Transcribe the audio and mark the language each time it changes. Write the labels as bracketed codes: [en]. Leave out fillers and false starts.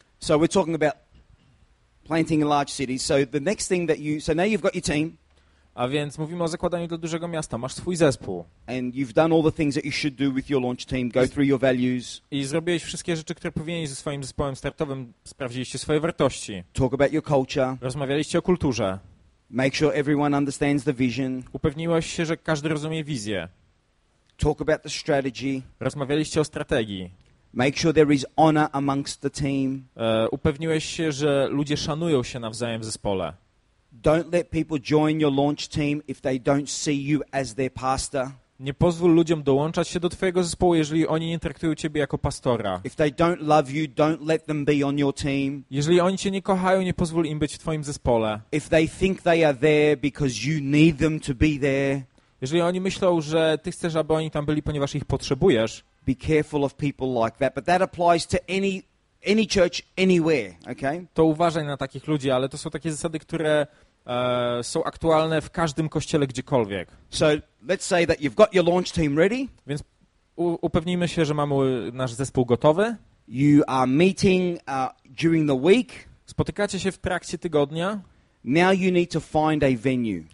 [en] So we're talking about planting in large cities. So the next thing that you, so now you've got your team. [pl] A więc mówimy o zakładaniu dla dużego miasta. Masz swój zespół. [en] And you've done all the things that you should do with your launch team. Go through your values. [pl] I zrobiłeś wszystkie rzeczy, które powinieneś ze swoim zespołem startowym. Sprawdziliście swoje wartości. [en] Talk about your culture. [pl] Rozmawialiście o kulturze. [en] Make sure everyone understands the vision. [pl] Upewniłeś się, że każdy rozumie wizję. [en] Talk about the strategy. [pl] Rozmawialiście o strategii. [en] Make sure there is honor amongst the team. [pl] Upewniłeś się, że ludzie szanują się nawzajem w zespole. [en] Don't let people join your launch team if they don't see you as their pastor. [pl] Nie pozwól ludziom dołączać się do twojego zespołu, jeżeli oni nie traktują ciebie jako pastora. [en] If they don't love you, don't let them be on your team. [pl] Jeżeli oni cię nie kochają, nie pozwól im być w twoim zespole. [en] If they think they are there because you need them to be there. [pl] Jeżeli oni myślą, że ty chcesz, aby oni tam byli, ponieważ ich potrzebujesz. [en] Be careful of people like that, but that applies to any church anywhere, okay? [pl] To uważaj na takich ludzi, ale to są takie zasady, które są aktualne w każdym kościele gdziekolwiek. [en] So, let's say that you've got your launch team ready. [pl] Więc upewnijmy się, że mamy nasz zespół gotowy. [en] You are meeting during the week. [pl] Spotykacie się w trakcie tygodnia. [en] Now you need to find a venue.